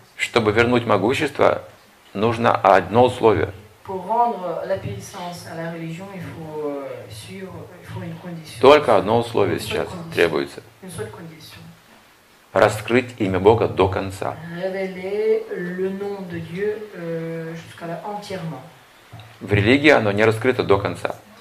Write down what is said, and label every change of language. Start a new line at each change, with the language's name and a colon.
Russian: Чтобы вернуть могущество, нужно одно условие.
French: Pour rendre la puissance à la religion, il faut suivre, il faut une condition.
Russian: Только одно условие сейчас требуется.
French: Une seule condition.
Russian: Раскрыть имя Бога до конца.
French: Révéler le nom de Dieu jusqu'à la entièrement.
Russian: В религии оно не раскрыто до конца.